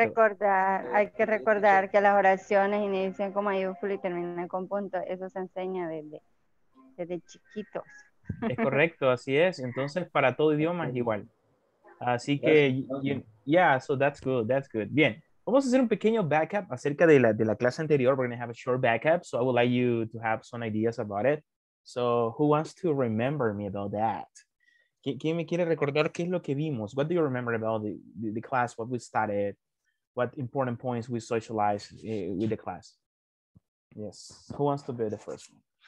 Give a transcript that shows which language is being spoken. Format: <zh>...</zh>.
<es>Recordar, hay que recordar que las oraciones inician con mayúscula y terminan con punto. Eso se enseña desde chiquitos. Es correcto, así es. Entonces, para todo idioma es igual. Así que,</es> <en>so that's good, that's good.</en> <es>Bien, vamos a hacer un pequeño backup acerca de la clase anterior.</es> <en>We're going to have a short backup, so I would like you to have some ideas about it. So, who wants to remember me about that?</en> <es>¿Quién me quiere recordar qué es lo que vimos?</es> <en>What do you remember about the class, what we started, what important points we socialized with the class? Yes, who wants to be the first one?</en>